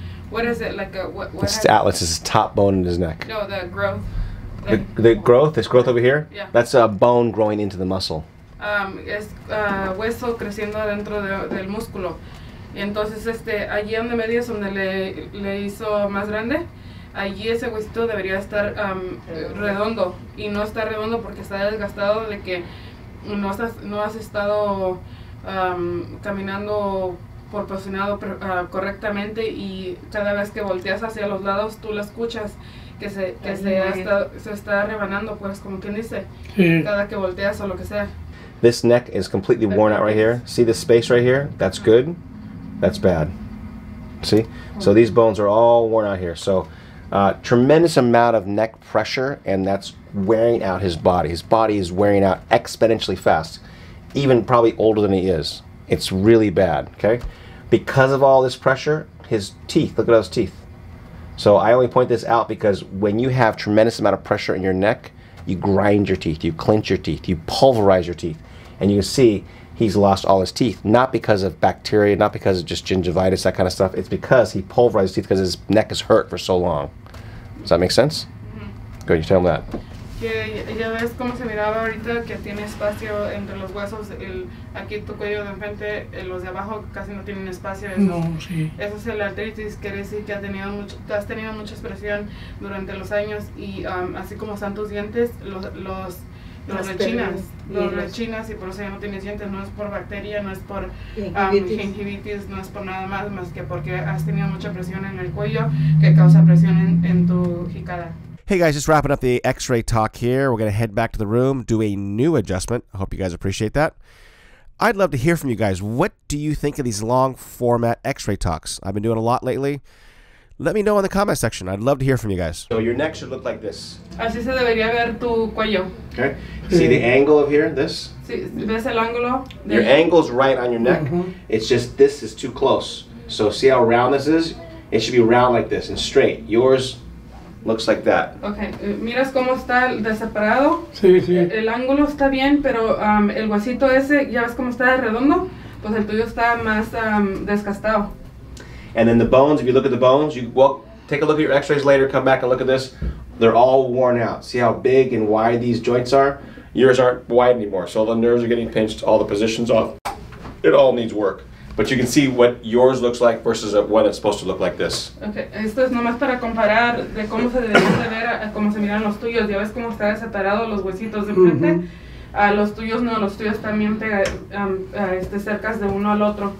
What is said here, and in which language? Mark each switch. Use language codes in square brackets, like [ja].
[en] What is it, like a... It's atlas, it's top bone in his neck. No, the growth. The growth, this growth over here? Yeah. That's a bone growing into the muscle. [es] Es hueso creciendo dentro del músculo. Y entonces, allí donde me dices, donde le hizo más grande, allí ese huesito debería estar redondo. Y no está redondo porque está desgastado de que no has estado caminando... proporcionado correctamente, y cada vez que volteas hacia los lados tú la escuchas que se está rebanando, pues, como quien dice, cada que volteas o lo que sea. [en] This neck is completely worn out right here. See the space right here? That's good. That's bad. See? So these bones are all worn out here. So tremendous amount of neck pressure, and that's wearing out his body. His body is wearing out exponentially fast, even probably older than he is. It's really bad, okay? Because of all this pressure, his teeth, look at those teeth. So I only point this out because when you have tremendous amount of pressure in your neck, you grind your teeth, you clench your teeth, you pulverize your teeth, and you see he's lost all his teeth, not because of bacteria, not because of just gingivitis, that kind of stuff. It's because he pulverized his teeth because his neck is hurt for so long. Does that make sense? Mm-hmm. Good, you tell him that. [es] Que ya ves cómo se miraba ahorita, que tiene espacio entre los huesos, aquí tu cuello de enfrente, los de abajo casi no tienen espacio. Eso, no, sí. Eso es la artritis, quiere decir que has tenido mucha presión durante los años, y así como están tus dientes, los rechinas, y por eso ya no tienes dientes. No es por bacteria, no es por gingivitis, no es por nada más que porque has tenido mucha presión en el cuello, que causa presión en tu jicada. [en] Hey guys, just wrapping up the x-ray talk here. We're going to head back to the room, do a new adjustment. I hope you guys appreciate that. I'd love to hear from you guys. What do you think of these long format x-ray talks? I've been doing a lot lately. Let me know in the comment section. I'd love to hear from you guys. So your neck should look like this. [es] Así se debería ver tu cuello. [en] Okay. See the angle of here, this? [es] Sí, ves el ángulo. [en] Your angle's right on your neck. Mm-hmm. It's just this is too close. So see how round this is? It should be round like this and straight. Yours... looks like that. [es] Okay, miras cómo está de separado. Sí, sí. El ángulo está bien, pero el huesito ese, ya ves cómo está de redondo, pues el tuyo está más desgastado. [en] And then the bones, if you look at the bones, take a look at your x-rays later, come back and look at this. They're all worn out. See how big and wide these joints are? Yours aren't wide anymore, so the nerves are getting pinched, all the positions off. It all needs work. But you can see what yours looks like versus what it's supposed to look like this. [es] Okay, esto es nomás para comparar de cómo se debería de ver, cómo se miran los tuyos. Ya ves cómo está separado los huesitos de frente. Mm-hmm. Los tuyos no, los tuyos también cerca de uno al otro.